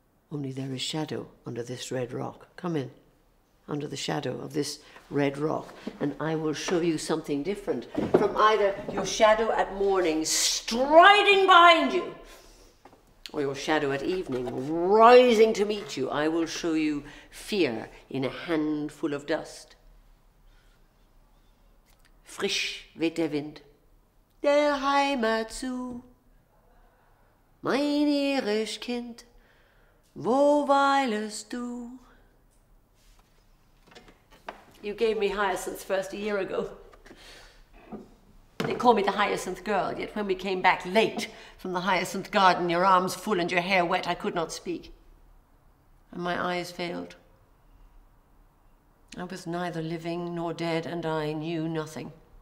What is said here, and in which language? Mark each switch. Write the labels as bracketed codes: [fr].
[en] Only there is shadow under this red rock. Come in, under the shadow of this red rock, and I will show you something different from either your shadow at morning striding behind you, or your shadow at evening rising to meet you. I will show you fear in a handful of dust. [de] Frisch weht der Wind, der Heimat zu, mein irisch Kind, wo weilest du? [en] You gave me hyacinths first a year ago. They call me the hyacinth girl, yet when we came back late from the hyacinth garden, your arms full and your hair wet, I could not speak. And my eyes failed. I was neither living nor dead, and I knew nothing.